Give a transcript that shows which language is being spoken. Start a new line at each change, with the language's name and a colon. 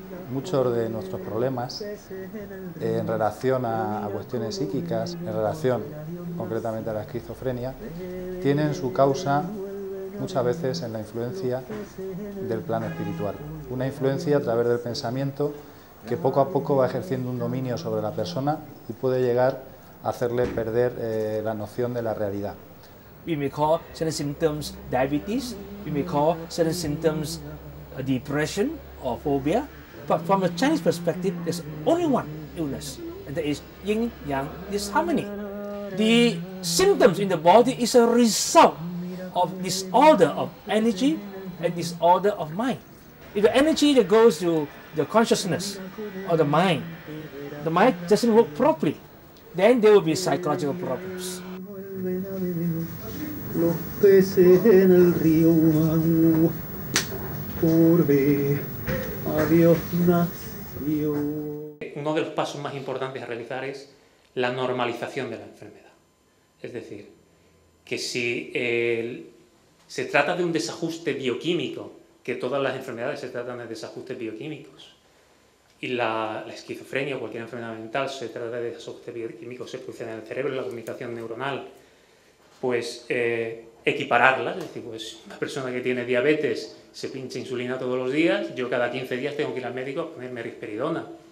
Spanish: Muchos de nuestros problemas en relación a cuestiones psíquicas, en relación concretamente a la esquizofrenia, tienen su causa muchas veces en la influencia del plano espiritual. Una influencia a través del pensamiento que poco a poco va ejerciendo un dominio sobre la persona y puede llegar a hacerle perder la noción de la realidad.
English: We may call certain symptoms diabetes, we may call certain symptoms depression or phobia, but from a Chinese perspective, there's only one illness, and that is yin yang disharmony. The symptoms in the body is a result of disorder of energy and disorder of mind. If the energy that goes to the consciousness or the mind doesn't work properly, then there will be psychological problems.
Spanish: Los peces en el río Humano, por ver a Dios nació. Uno de los pasos más importantes a realizar es la normalización de la enfermedad. Es decir, que si se trata de un desajuste bioquímico, que todas las enfermedades se tratan de desajustes bioquímicos, y la esquizofrenia o cualquier enfermedad mental se trata de desajustes bioquímicos, se producen en el cerebro, en la comunicación neuronal, pues equipararla, es decir, pues una persona que tiene diabetes se pincha insulina todos los días, yo cada 15 días tengo que ir al médico a ponerme risperidona.